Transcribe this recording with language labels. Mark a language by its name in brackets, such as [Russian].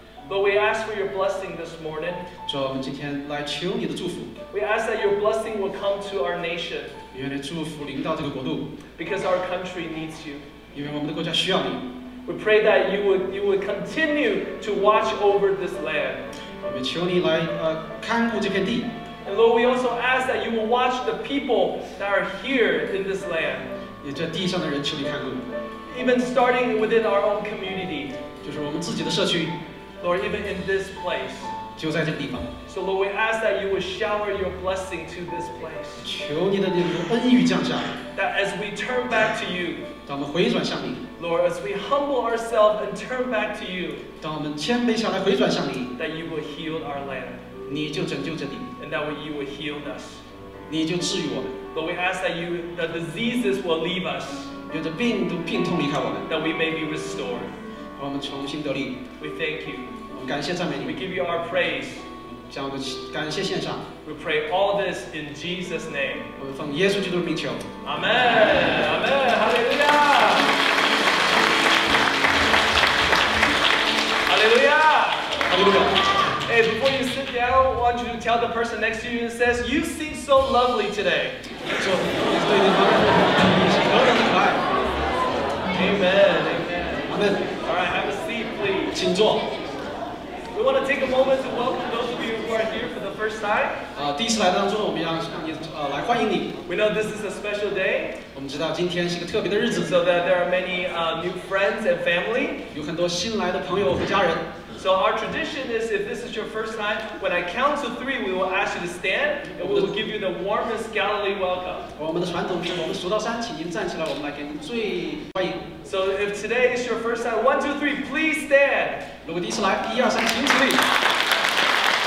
[English] But we ask for your blessing this morning. [Chinese] 主啊，我们今天来求你的祝福 [English] We ask that your blessing will come to our nation. [Chinese] 愿你的祝福临到这个国度 [English] Because our country needs you. [Chinese] 因为我们的国家需要你 [English] We pray that you would continue to watch over this land. [Chinese] 我们求你来看顾这片地 [English] And Lord, we also ask that you will watch the people that are here in this land. [Chinese] 也在地上的人求你看顾 [English] Even starting within our own community [Chinese] 就是我们自己的社区 [English] Lord, even in this place [Chinese] 就在这个地方 [English] So Lord, we ask that you would shower your blessing to this place [Chinese] 求你的那个恩雨降下 [English] That as we turn back to you [Chinese] 当我们回转向你 [English] Lord, as we humble ourselves and turn back to you [Chinese] 当我们谦卑下来回转向你 [English] That you would heal our land [Chinese] 你就拯救这里 [English] And that you would heal us [Chinese] 你就治愈我们 [English] Lord, we ask that the diseases will leave us. [Chinese] 有的病都病痛离开我们。 [English] That we may be restored. [Chinese] 让我们重新得力。 [English] We thank you. [Chinese] 我们感谢赞美你。 [English] We give you our praise. [Chinese] 将我们感谢献上。 [English] We pray all this in Jesus' name. [Chinese] 我们奉耶稣基督的名求。 [English] Amen. Amen. Hallelujah. Hallelujah. Hallelujah. Hey, before you sit down, I want you to tell the person next to you and says, You seem so lovely today. Amen, amen. All right, have a seat, please. [Chinese] 请坐 [English] We want to take a moment to welcome those of you who are here for the first time. [Chinese] 第一次来当中，我们要让你来欢迎你。 [English] We know this is a special day. [Chinese] 我们知道今天是一个特别的日子。 [English] So that there are many new friends and family. [Chinese] 有很多新来的朋友和家人。 [English] So our tradition is, if this is your first time, when I count to three, we will ask you to stand, and we will give you the warmest Galilee welcome. [Chinese] 我们的传统是，我们数到三，请您站起来，我们来给您最欢迎。 [English] So if today is your first time, one, two, three, please stand. [Chinese] 如果第一次来，一二三，请起立。